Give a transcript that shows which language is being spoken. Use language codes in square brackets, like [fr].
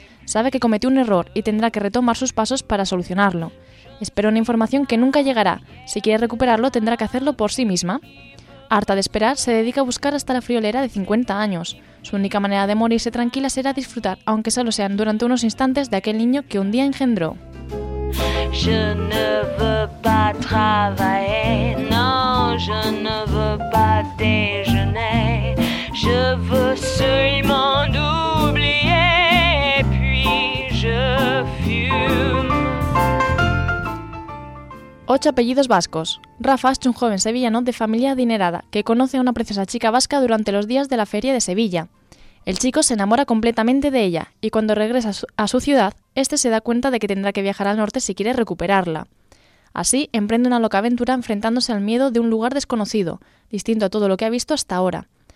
[es] Sabe que cometió un error y tendrá que retomar sus pasos para solucionarlo. Espera una información que nunca llegará. Si quiere recuperarlo, tendrá que hacerlo por sí misma. Harta de esperar, se dedica a buscar hasta la friolera de 50 años. Su única manera de morirse tranquila será disfrutar, aunque solo sean durante unos instantes, de aquel niño que un día engendró. [fr] Je ne veux pas travailler, non, je ne veux pas déjeuner. Je veux seulement oublier, puis je fume. [es] Ocho apellidos vascos. Rafa es un joven sevillano de familia adinerada que conoce a una preciosa chica vasca durante los días de la feria de Sevilla. El chico se enamora completamente de ella y cuando regresa a su ciudad, este se da cuenta de que tendrá que viajar al norte si quiere recuperarla. Así, emprende una loca aventura enfrentándose al miedo de un lugar desconocido, distinto a todo lo que ha visto hasta ahora.